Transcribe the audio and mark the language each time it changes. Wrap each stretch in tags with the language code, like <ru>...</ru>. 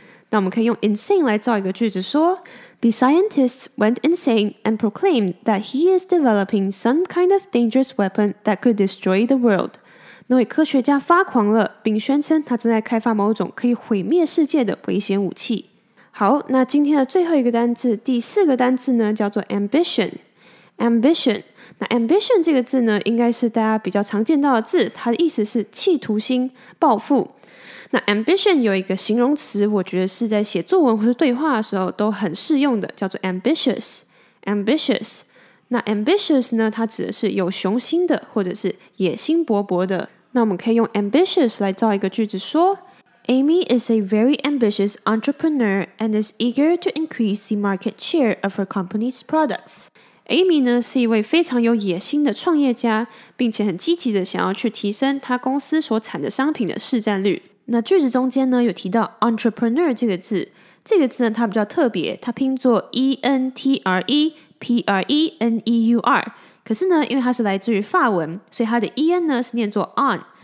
<zh>那我们可以用 insane 来造一个句子说</zh> <en>The scientist went insane and proclaimed that he is developing some kind of dangerous weapon that could destroy the world.</en> <zh>那位科学家发狂了，并宣称他正在开发某种可以毁灭世界的危险武器。好，那今天的最后一个单字，第四个单字呢，叫做 ambition。 ambition， 那 ambition 这个字呢，应该是大家比较常见到的字，它的意思是企图心、抱负。那 ambition 有一个形容词，我觉得是在写作文或是对话的时候都很适用的，叫做 ambitious。 ambitious， 那 ambitious 呢，它指的是有雄心的，或者是野心勃勃的。那我们可以用 ambitious 来造一个句子说。</zh> <en>Amy is a very ambitious entrepreneur and is eager to increase the market share of her company's products.</en> <zh>Amy 呢是一位非常有野心的创业家，并且很积极的想要去提升她公司所产的商品的市占率。那句子中间呢有提到 entrepreneur 这个字，这个字呢它比较特别，它拼作 entrepreneur， 可是呢因为它是来自于法文，所以它的 en 呢是念作 on。</zh>